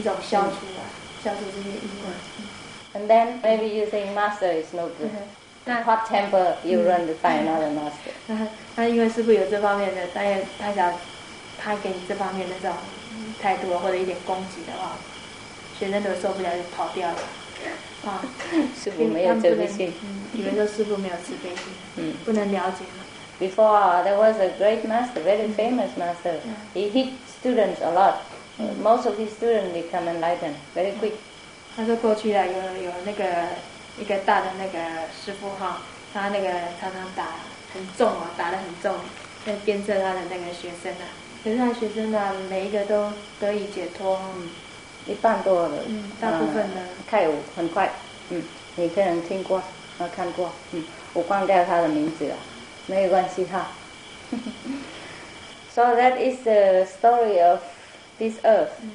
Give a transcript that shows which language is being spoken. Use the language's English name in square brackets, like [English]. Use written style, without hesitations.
[Chinese] 就当然就是由那个现在这个师傅来责备你啊，或者是鞭打你啊，把你等于是一种消除啊，消除这些因果。 [English] And then maybe you think master is no good. Hot temper, you run to find another master. [Chinese] 那因为师傅有这方面的，但是他给你这方面的这种态度或者一点攻击的话，学生都受不了，就跑掉了。师父没有慈悲心，你们说师父没有慈悲心，不能了解。 [English] Before there was a great master, very famous master. He hit students a lot. most of his students become enlightened very quick. [Chinese] 他说过去啊，有那个一个大的那个师父哈，他那个常常打很重啊，打得很重，在鞭策他的那个学生啊。可是他学生呢，每一个都得以解脱。一半多的。大部分的。开悟很快。你可能听过，看过。我忘掉他的名字了，没有关系哈。 [English] So that is the story of this earth.